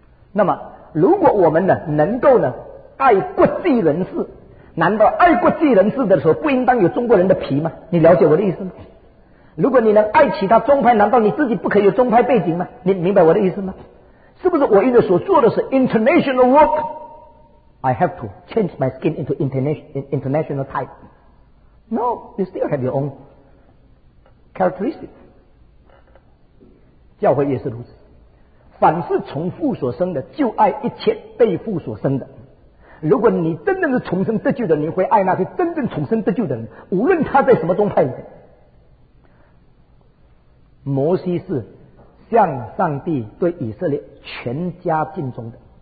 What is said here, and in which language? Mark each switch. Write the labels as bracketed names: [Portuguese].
[Chinese] 那么如果我们呢能够呢爱国际人士，难道爱国际人士的时候不应当有中国人的皮吗？你了解我的意思吗？如果你能爱其他宗派，难道你自己不可以有宗派背景吗？你明白我的意思吗？是不是我一直所做的是 international work？ [English] I have to change my skin into international type。 No, you still have your own characteristics。 [Chinese] 教会也是如此，凡是从父所生的就爱一切被父所生的。如果你真正是重生得救的，你会爱那些真正重生得救的人，无论他在什么宗派里面。摩西是向上帝对以色列全家尽忠的。